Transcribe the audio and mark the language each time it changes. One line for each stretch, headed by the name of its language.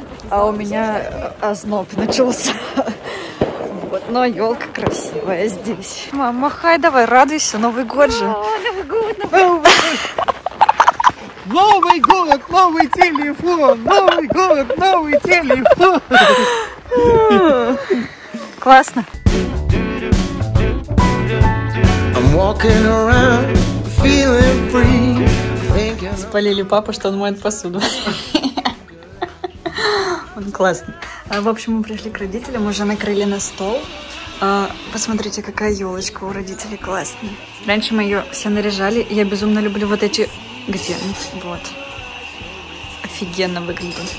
Russian: А у меня озноб начался. Вот. Но елка красивая здесь. Мам, махай давай, радуйся. Новый год же. Новый год, новый телефон, новый год, новый телефон. Классно.
English: I'm walking around feeling free.
Russian: Спалили папу, что он моет посуду. Он классный. В общем, мы пришли к родителям, уже накрыли на стол. Посмотрите, какая елочка у родителей классная. Раньше мы ее все наряжали. Я безумно люблю вот эти гирлянды. Вот. Офигенно выглядит.